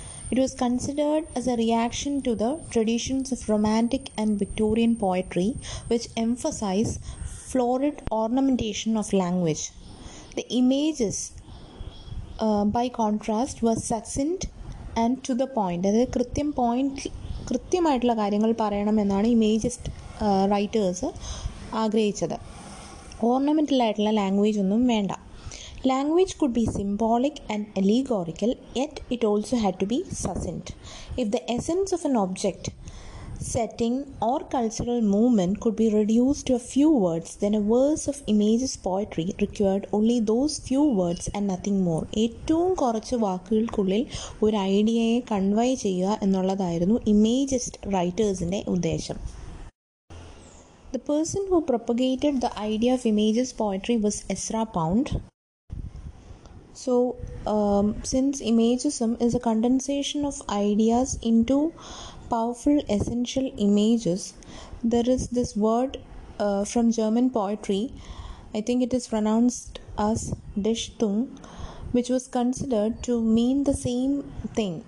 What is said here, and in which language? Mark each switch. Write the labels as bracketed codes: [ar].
[en] It was considered as a reaction to the traditions of romantic and Victorian poetry which emphasize florid ornamentation of language. The images by contrast were succinct and to the point. [ml] അതായത് കൃത്യം point കൃത്യമായിട്ടുള്ള കാര്യങ്ങൾ പറയണമെന്നാണ് imagist writers ആഗ്രഹിച്ചത്. ഓർണമെൻറ്റലായിട്ടുള്ള language ഒന്നും വേണ്ട. [en] Language could be symbolic and allegorical, yet it also had to be succinct. If the essence of an object setting or cultural movement could be reduced to a few words, then a verse of images poetry required only those few words and nothing more. [ml] ഏറ്റവും കുറച്ച് വാക്കുകൾക്കുള്ളിൽ ഒരു ഐഡിയയെ convey ചെയ്യുക എന്നുള്ളതായിരുന്നു imagist റൈറ്റേഴ്സിൻ്റെ ഉദ്ദേശം. [en] The person who propagated the idea of images poetry was Ezra Pound. So, since imagism is a condensation of ideas into powerful essential images, there is this word from German poetry, I think it is pronounced as Dichtung, which was considered to mean the same thing.